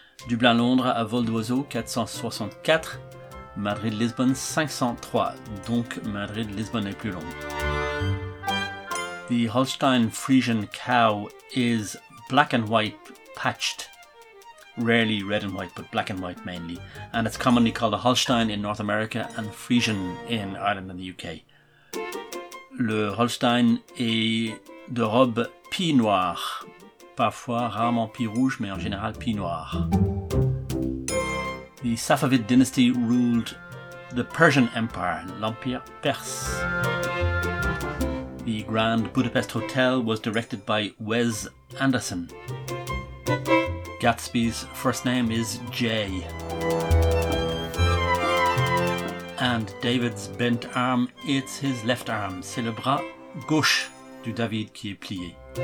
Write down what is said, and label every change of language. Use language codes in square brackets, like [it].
[fr] Dublin-Londres à vol d'oiseau, 464. Madrid-Lisbon 503, donc Madrid-Lisbon est plus long. [en] The Holstein Friesian cow is black and white patched, rarely red and white, but black and white mainly, and it's commonly called a Holstein in North America and Friesian in Ireland and the UK. [fr] Le Holstein est de robe pie noire, parfois rarement pie rouge, mais en général pie noire. [en] The Safavid dynasty ruled the Persian Empire, [fr] l'Empire Perse. [en] The Grand Budapest Hotel was directed by Wes Anderson. Gatsby's first name is Jay. And David's bent arm, it's his left arm. [fr] C'est le bras gauche du David qui est plié.